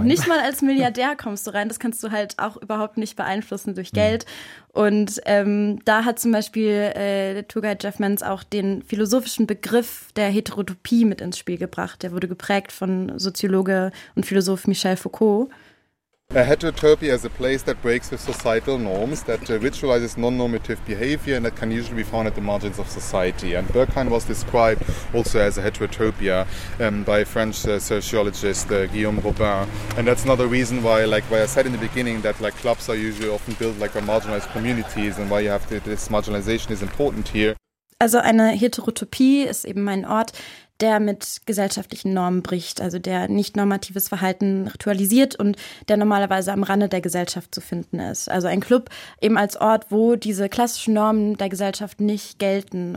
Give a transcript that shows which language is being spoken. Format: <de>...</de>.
<de>Und nicht mal als Milliardär kommst du rein. Das kannst du halt auch überhaupt nicht beeinflussen durch Geld. Mhm. Und da hat zum Beispiel der Tourguide Jeff Mans auch den philosophischen Begriff der Heterotopie mit ins Spiel gebracht. Der wurde geprägt von Soziologe und Philosoph Michel Foucault.</de> <en>A heterotopia is a place that breaks with societal norms, that ritualizes non-normative behavior, and that can usually be found at the margins of society. And Berghain was described also as a heterotopia by a French sociologist Guillaume Robin. And that's another reason why, like what I said in the beginning, that like clubs are usually often built like on marginalized communities, and why you have to, this marginalization is important here.</en> <de>Also eine Heterotopie ist eben mein Ort, der mit gesellschaftlichen Normen bricht, also der nicht normatives Verhalten ritualisiert und der normalerweise am Rande der Gesellschaft zu finden ist. Also ein Club eben als Ort, wo diese klassischen Normen der Gesellschaft nicht gelten.</de>